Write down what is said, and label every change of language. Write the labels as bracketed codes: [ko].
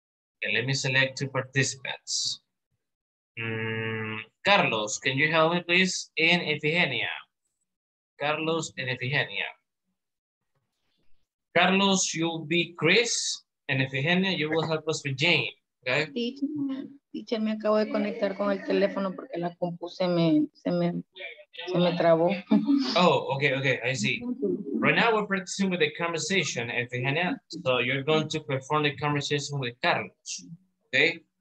[en] Okay, let me select two participants. Carlos, can you help me, please? In Efigenia. Carlos and Efigenia. Carlos, you'll be Chris, and Efigenia, you will help us with Jane, okay? [es] Teacher, me acabo de conectar con el teléfono porque la compu se me trabó. [en] Oh, okay, I see. Right now we're practicing with the conversation, Efigenia, so you're going to perform the conversation with Carlos, okay?